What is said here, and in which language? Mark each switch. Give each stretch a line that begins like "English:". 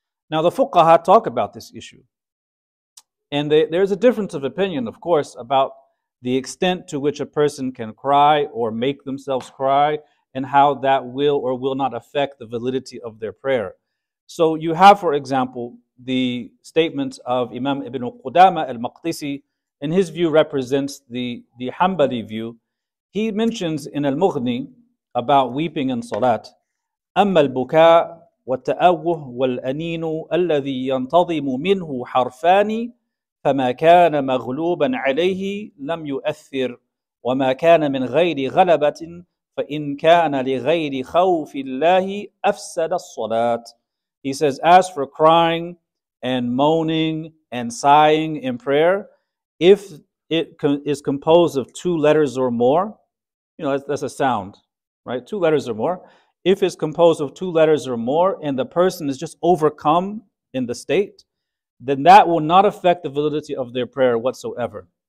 English: Now the fuqaha talk about this issue. And there's a difference of opinion, of course, about the extent to which a person can cry or make themselves cry and how that will or will not affect the validity of their prayer. So you have, for example, the statement of Imam Ibn Qudama al-Maqdisi, and his view represents the Hanbali view. He mentions in Al-Mughni about weeping in salat,
Arabic: أما البكاء والتأوه والأنين الذي ينتظم منه حرفان فما كان مغلوبا عليه لم يؤثر وما كان من غير غلبة فإن كان لغير خوف الله أفسد الصلاة.
English: He says, as for crying and moaning and sighing in prayer, if it is composed of two letters or more, you know, that's a sound, right? Two letters or more. If it's composed of two letters or more and the person is just overcome in the state, then that will not affect the validity of their prayer whatsoever.